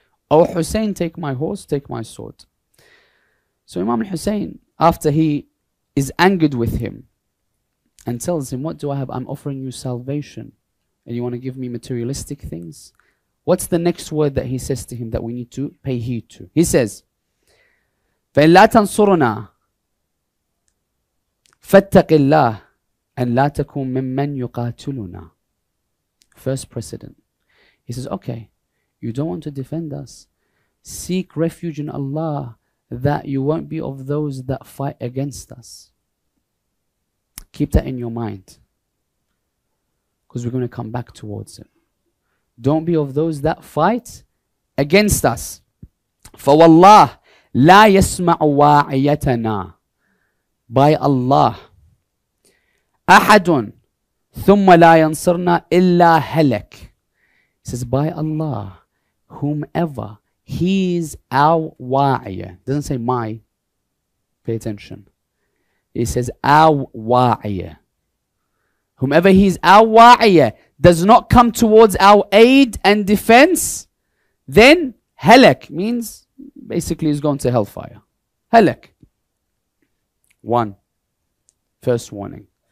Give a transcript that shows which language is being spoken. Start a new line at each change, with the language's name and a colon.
English: Oh Hussein, take my horse, take my sword. So Imam Hussein, after he is angered with him and tells him, what do I have? I'm offering you salvation. And you want to give me materialistic things? What's the next word that he says to him that we need to pay heed to? He says,
Arabic: فَإِنْ لَا تَنْصُرُنَا فَاتَّقِ اللَّهِ أَنْ لَا تَكُمْ مِمَّنْ يُقَاتُلُنَا.
English: First precedent. He says, okay, you don't want to defend us. Seek refuge in Allah that you won't be of those that fight against us. Keep that in your mind, because we're going to come back towards it. Don't be of those that fight against us.
Arabic: فَوَاللَّهِ لَا يَسْمَعُ وَاعِيَتَنَا.
English: By Allah,
Arabic: أَحَدٌ ثُمَّ لَا يَنْصَرْنَا إِلَّا هَلَك.
English: He says, by Allah, whomever, he is our wa'iyah. Doesn't say my, pay attention. He says, our wa'iyah. Whomever he is our wa'iyah, does not come towards our aid and defense, then halak means basically he's going to hellfire. Halak. One. First warning.